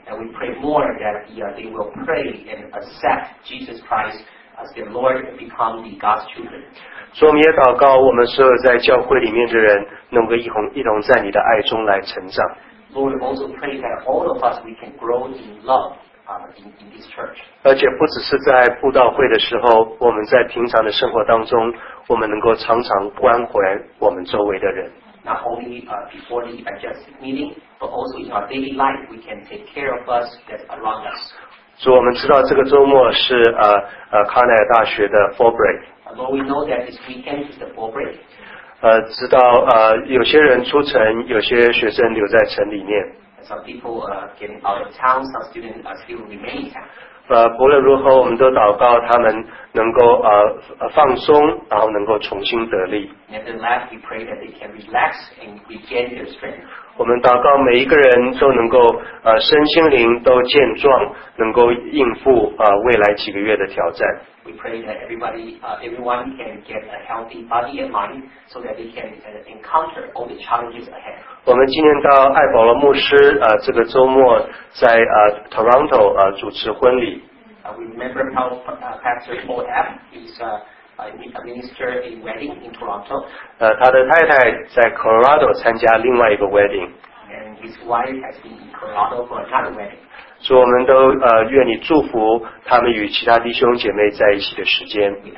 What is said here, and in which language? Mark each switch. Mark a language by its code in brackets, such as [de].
[en] And we pray more that they will pray and accept Jesus Christ as their Lord and become the God's children. [zh] 所以我们也祷告我们所有在教会里面的人能够一同在你的爱中来成长。 [en] Lord, we also pray that all of us we can grow in love. In this church. [zh] 而且不只是在布道会的时候，我们在平常的生活当中，我们能够常常关怀我们周围的人。 [en] Not only before the evangelistic meeting, but also in our daily life, we can take care of us that's around us. [zh] 主，我们知道这个周末是康奈尔大学的 fall break. [en] But we know that this weekend is the fall break. [zh] 知道有些人出城，有些学生留在城里面。 [en] Some people getting out of town. Some students are still remaining. [zh] 无论如何，我们都祷告他们能够放松，然后能够重新得力。 [en] Nevertheless, we pray that they can relax and regain their strength. [zh] 我们祷告每一个人都能够身心灵都健壮，能够应付未来几个月的挑战。 [en] We pray that everyone can get a healthy body and mind so that they can encounter all the challenges ahead. [zh] 我们今天到艾保罗牧师这个周末在Toronto 主持婚礼。 [en] We remember how Pastor Paul F. is a minister in wedding in Toronto. [zh] 他的太太在 Colorado 参加另外一个 wedding. [en] And his wife has been in Colorado for another wedding. [zh] 所以我们都愿你祝福他们与其他弟兄姐妹在一起的时间。